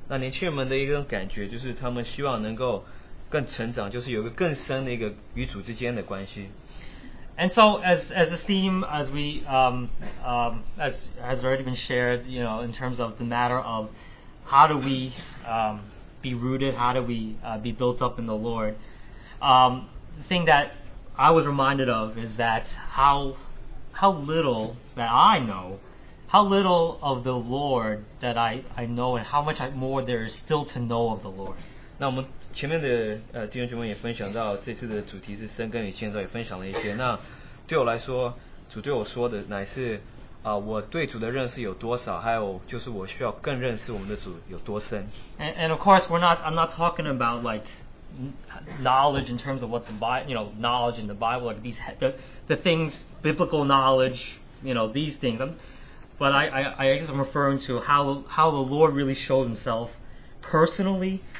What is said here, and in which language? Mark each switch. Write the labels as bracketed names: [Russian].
[Chinese] 那年轻人们的一种感觉就是他们希望能够更成长，就是有个更深的一个与主之间的关系。 [English] And so, as this theme, as we as has already been shared, you know, in terms of the matter of how do we be rooted, how do we be built up in the Lord. The thing that I was reminded of is that how little that I know, how little of the Lord that I know, and how much more there is still to know of the Lord. [Chinese] 那我们前面的弟兄姐妹也分享到这次的主题是生根与建造，也分享了一些。那对我来说，主对我说的乃是我对主的认识有多少，还有就是我需要更认识我们的主有多深。 [English] And of course, I'm not talking about like knowledge in terms of what the Bible, you know, knowledge in the Bible, like the things, biblical knowledge, you know, these things. But I just am referring to how the Lord really showed himself personally.